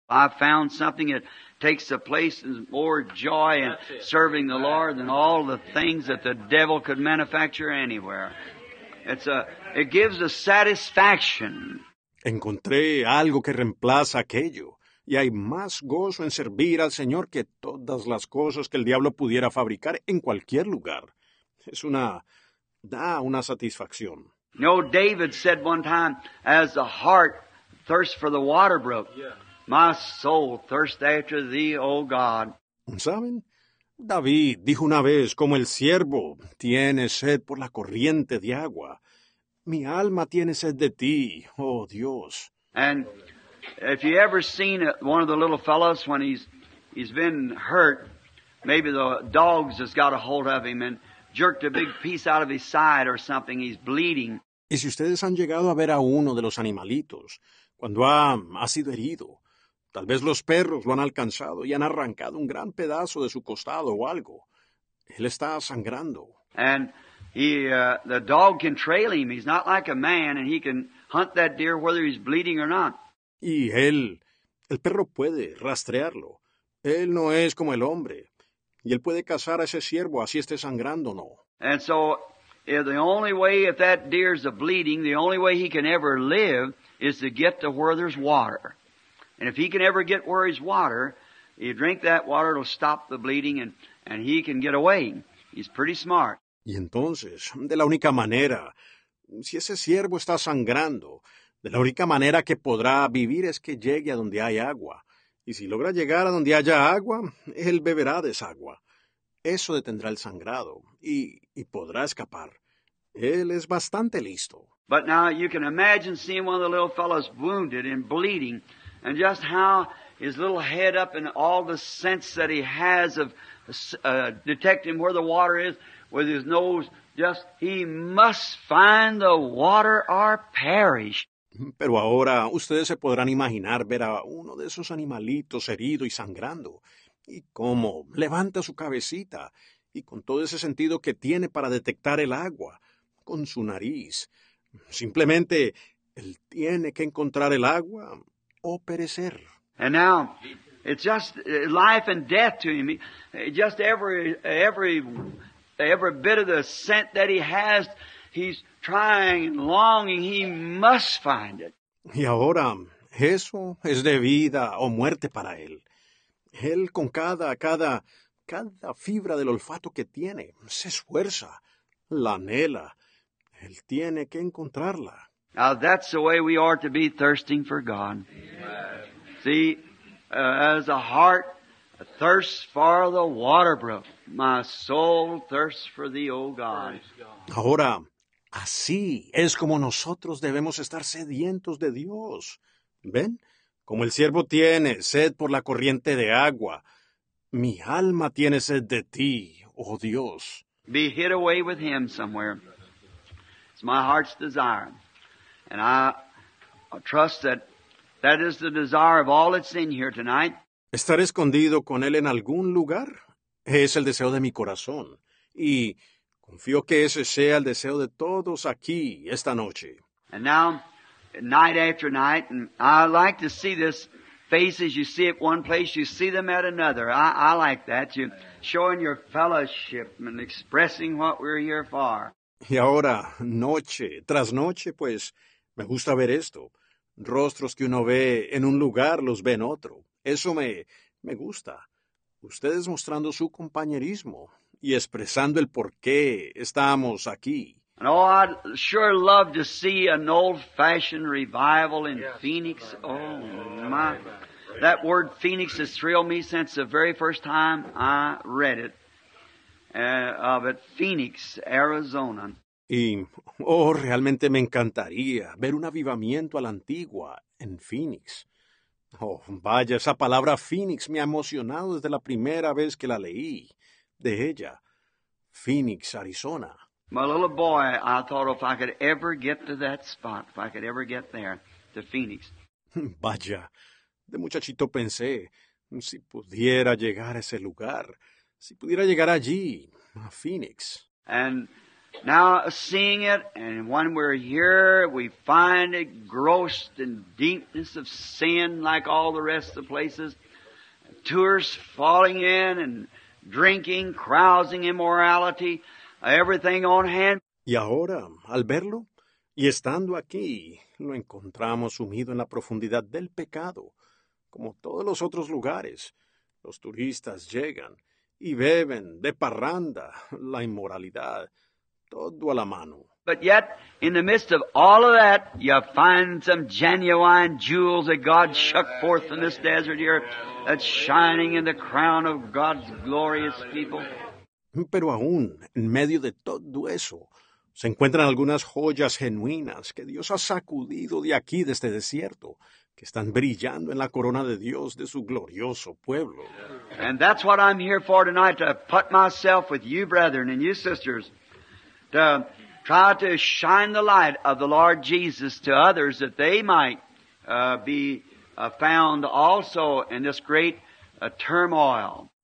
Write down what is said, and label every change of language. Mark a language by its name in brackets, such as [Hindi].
[English] I found something that takes the place of more joy in serving the Lord than all the things that the devil could manufacture anywhere. It gives a satisfaction. [Spanish] Encontré algo que reemplaza aquello. Y hay más gozo en servir al Señor que todas las cosas que el diablo pudiera fabricar en cualquier lugar. Es una, da una satisfacción. [English] No, David said one time, as the heart thirsts for the water brook, my soul thirsts after thee, O God. [Spanish] ¿Saben? David dijo una vez, como el siervo tiene sed por la corriente de agua, mi alma tiene sed de ti, oh Dios. [English] And if you ever seen one of the little fellows when he's been hurt, maybe the dogs has got a hold of him and jerked a big piece out of his side or something, he's bleeding. [Spanish] Y si ustedes han llegado a ver a uno de los animalitos cuando ha sido herido, tal vez los perros lo han alcanzado y han arrancado un gran pedazo de su costado o algo. Él está sangrando. [English] And the dog can trail him. He's not like a man, and he can hunt that deer whether he's bleeding or not. [Spanish] Y el perro puede rastrearlo. Él no es como el hombre. Y él puede cazar a ese ciervo, así esté sangrando o no. [English] And so, the only way, if that deer's a bleeding, the only way he can ever live is to get to where there's water. And if he can ever get where there's water, you drink that water, it'll stop the bleeding, and he can get away. He's pretty smart. [Spanish] Y entonces, de la única manera, si ese ciervo está sangrando, de la única manera que podrá vivir es que llegue a donde hay agua. Y si logra llegar a donde haya agua, él beberá de esa agua. Eso detendrá el sangrado y podrá escapar. Él es bastante listo. [English] But now you can imagine seeing one of the little fellows wounded and bleeding, and just how his little head up and all the sense that he has of detecting where the water is with his nose, just he must find the water or perish. [Spanish] Pero ahora ustedes se podrán imaginar ver a uno de esos animalitos herido y sangrando, y cómo levanta su cabecita, y con todo ese sentido que tiene para detectar el agua, con su nariz. Simplemente, él tiene que encontrar el agua o perecer. [English] And now, it's just life and death to him. Just every bit of the scent that he has, he's trying and longing, he must find it. [Spanish] Y ahora, eso es de vida o muerte para él. Él con cada cada fibra del olfato que tiene. Se esfuerza, la anhela. Él tiene que encontrarla. [English] Now that's the way we are to be thirsting for God. See, as a heart thirsts for the water brook, my soul thirsts for thee, O God. [Spanish] Ahora, así es como nosotros debemos estar sedientos de Dios. ¿Ven? Como el siervo tiene sed por la corriente de agua, mi alma tiene sed de ti, oh Dios. [English] Be hid away with him somewhere. It's my heart's desire. And I trust that that is the desire of all that's in here tonight. [Spanish] Estar escondido con él en algún lugar es el deseo de mi corazón. Y confío que ese sea el deseo de todos aquí esta noche. [English] And now, night after night, and I like to see this face as you see at one place, you see them at another. I like that. You're showing your fellowship and expressing what we're here for. [Spanish] Y ahora, noche tras noche, pues, me gusta ver esto. Rostros que uno ve en un lugar, los ve en otro. Eso me gusta. Ustedes mostrando su compañerismo y expresando el por qué estamos aquí. [English] Oh, I'd sure love to see an old-fashioned revival in Phoenix. Oh, my. That word Phoenix has thrilled me since the very first time I read it. But Phoenix, Arizona. [Spanish] Y, oh, realmente me encantaría ver un avivamiento a la antigua en Phoenix. Oh, vaya, esa palabra Phoenix me ha emocionado desde la primera vez que la leí de ella. Phoenix, Arizona. [English] My little boy, I thought if I could ever get to that spot, if I could ever get there, to Phoenix. [Spanish] Vaya, de muchachito pensé, si pudiera llegar a ese lugar, si pudiera llegar allí, a Phoenix. [English] And now seeing it, and when we're here, we find it grossed in deepness of sin like all the rest of the places. Tourists falling in and drinking, carousing, immorality, everything on hand. [Spanish] Y ahora, al verlo, y estando aquí, lo encontramos sumido en la profundidad del pecado, como todos los otros lugares. Los turistas llegan y beben de parranda, la inmoralidad, todo a la mano. [English] But yet, in the midst of all of that, you find some genuine jewels that God shook forth from this desert here that's shining in the crown of God's glorious people. [Spanish] Pero aún, en medio de todo eso, se encuentran algunas joyas genuinas que Dios ha sacudido de aquí, de este desierto, que están brillando en la corona de Dios de su glorioso pueblo. [English] And that's what I'm here for tonight, to put myself with you brethren and you sisters, to try to shine the light of the Lord Jesus to others, that they might be found also in this great turmoil.